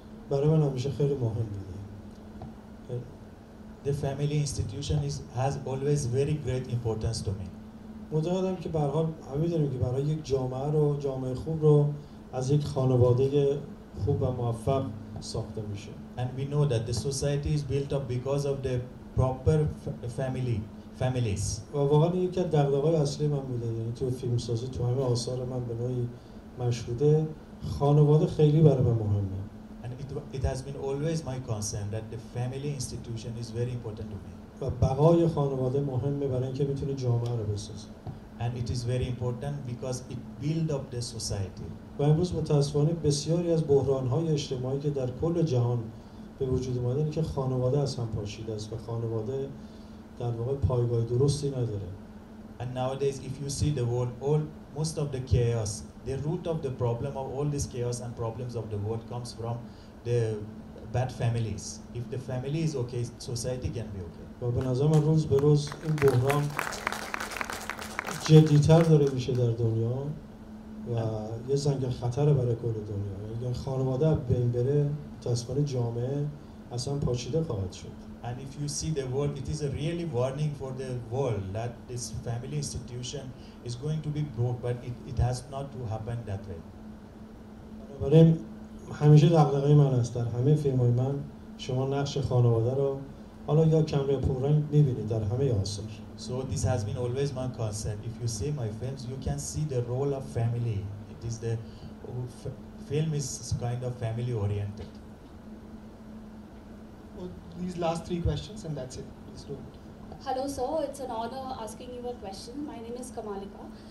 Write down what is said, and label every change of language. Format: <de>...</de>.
<fa>برای من همیشه خیلی مهم بوده.</fa> <en>The family institution is has always very great importance to me.</en> <fa>معتقدم که به هر حال می‌دونیم که برای یک جامعه رو جامعه خوب رو از یک خانواده خوب و موفق ساخته میشه.</fa> <en>And we know that the society is built up because of the proper family families.</en> <fa>و واقعاً یکی از دغدغه‌های اصلی من بوده، یعنی تو فیلم سازی تو همه آثار من به نوعی مشهوده، خانواده خیلی برای من مهمه.</fa> <en>And it has been always my concern that the family institution is very important to me.</en> <fa>و بقای خانواده مهمه برای اینکه بتونه جامعه رو بسازه.</fa> <en>And it is very important because it build up the society.</en> <fa>و امروز متاسفانه بسیاری از بحران‌های اجتماعی که در کل جهان به وجود اومده اینه که خانواده از هم پاشیده است و خانواده در واقع پایگاه درستی نداره.</fa> <en>And nowadays if you see the world, most of the chaos, the root of the problem of all this chaos and problems of the world comes from the bad families. If the family is okay, society can be okay.</en> <fa>و به نظر من روز به روز این بحران جدیتر داره میشه در دنیا و یه زنگ خطر برای کل دنیا. اگر خانواده بین بره متاسفانه جامعه اصلا پاشیده خواهد شد.</fa> <en>And if you see the world, it is a really warning for the world that this family institution is going to be broke, but it has not to happen that way.</en> <fa>بنابراین همیشه دغدغه من است در همه فیلم های من شما نقش خانواده رو حالا یا کمره پررنگ می‌بینید در همه آثار.</fa> <en>So this has been always my concern. If you see my films, you can see the role of family. It is the film is kind of family oriented. These last three questions and that's it. Let's do it. Hello sir, it's an honor asking you a question. My name is Kamalika.</en>